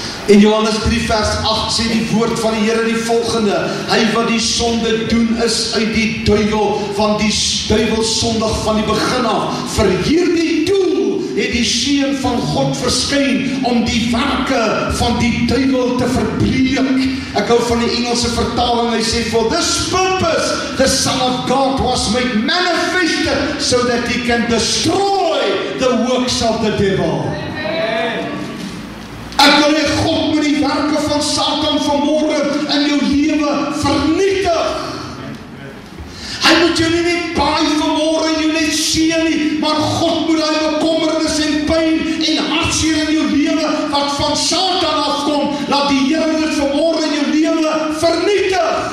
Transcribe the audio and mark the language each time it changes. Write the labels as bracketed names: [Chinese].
[Afrikaans] In Johannes 3 vers 8 sê die woord van die Here die volgende: hy wat die sonde doen is uit die duivel, want die duivel sondig van die begin af. Vir hierdie doel het die Seun van God verskyn om die werke van die duivel te verbreek. Ek hou van die Engelse vertaling, hy sê, [English] for this purpose the Son of God was made manifested so that he can destroy the works of the devil. [Afrikaans] Ek wil hê God moet die werke van Satan vanmôre in jou lewe vernietig. Hy moet jou nie net paai vanmôre en jou net seën nie, maar God moet daai bekommernis en pyn en hartseer in jou lewe wat van Satan afkom, laat die Here dit vanmôre in jou lewe vernietig.